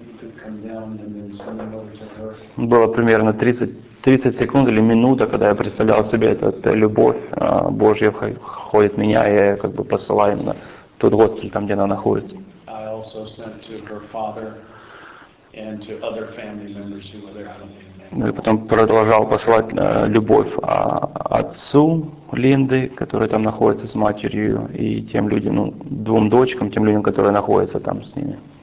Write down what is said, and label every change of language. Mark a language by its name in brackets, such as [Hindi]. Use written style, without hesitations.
[English] You could come down and then send it over to her. [Russian] Было примерно 30 секунд или минута, когда я представлял себе этот любовь Божья входит в меня, и я как бы посылаю на тот госпиталь, там где она находится. [English] I also sent to her father and to other family members who were there. I don't know. [Russian] Ну и потом продолжал посылать любовь отцу Линды, который там находится с матерью, и тем людям, ну, двум дочкам, тем людям, которые находятся там с ними.